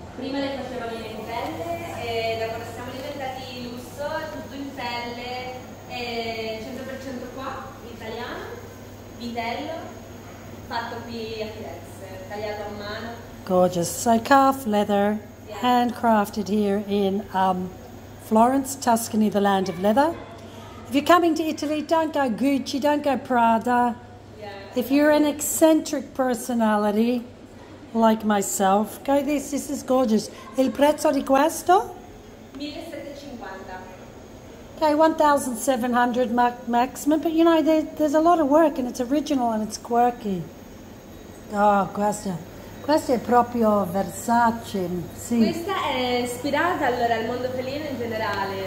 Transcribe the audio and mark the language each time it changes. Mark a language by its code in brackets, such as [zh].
[it] Prima le facevamo in pelle e da quando siamo diventati lusso, tutto in pelle, e 100% qua, italiano, vitello, fatto qui a Firenze, tagliato a mano. [en] Gorgeous. So calf leather, yeah. Handcrafted here in Florence, Tuscany, the land of leather. If you're coming to Italy, don't go Gucci, don't go Prada. Yeah. If you're an eccentric personality, like myself, go this. This is gorgeous. [it] Il prezzo di questo? 1750. [en] Okay, 1700 maximum. But you know, there's a lot of work, and it's original and it's quirky. [it] Oh, questa. Questa è proprio Versace. Sì. Questa è ispirata allora al mondo felino in generale.